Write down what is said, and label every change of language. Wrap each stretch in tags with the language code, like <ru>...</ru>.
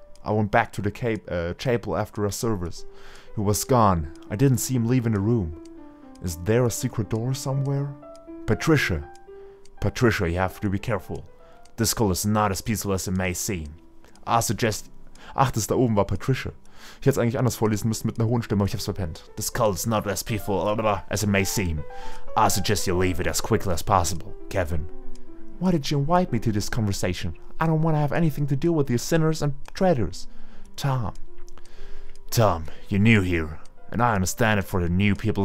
<en>I went back to the chapel after a service. He was gone. I didn't see him leaving the room. Is there a secret door somewhere? Patricia. Patricia, you have to be careful. This cult is not as peaceful as it may seem. I suggest...</en> <de>Ach, das da oben war Patricia. Ich hätte es eigentlich anders vorlesen müssen mit einer hohen Stimme, aber ich hab's verpennt.</de> <en>This cult is not as peaceful as it may seem. I suggest you leave it as quickly as possible, Kevin. Why did you invite me to this conversation? I don't want to have anything to do with your sinners and traitors. Tom. Tom, you're new here. And I understand it for the new people.</en>